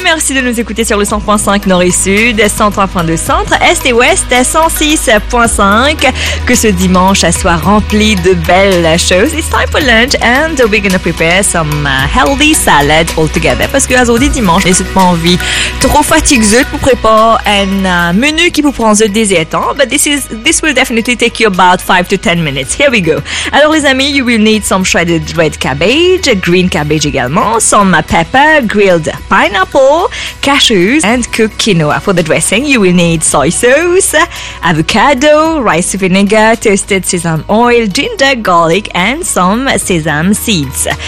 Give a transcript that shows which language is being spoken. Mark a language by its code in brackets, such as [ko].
[fr] Merci de nous écouter sur le 100.5 Nord et Sud, 103.2 Centre, Est et Ouest, 106.5. Que ce dimanche soit rempli de belles choses. [en] It's time for lunch and we're gonna prepare some healthy salad all together. [fr] Parce que là, aujourd'hui dimanche, j'ai pas envie. Trop fatigué pour préparer un menu qui vous prend un désir temps. [en] But this will definitely take you about 5 to 10 minutes. Here we go. [fr] Alors les amis, [en] you will need some shredded red cabbage, green cabbage également, some pepper, grilled pineapple, cashews and cooked quinoa. For the dressing, you will need soy sauce, avocado, rice vinegar, toasted sesame oil, ginger, garlic and some sesame seeds.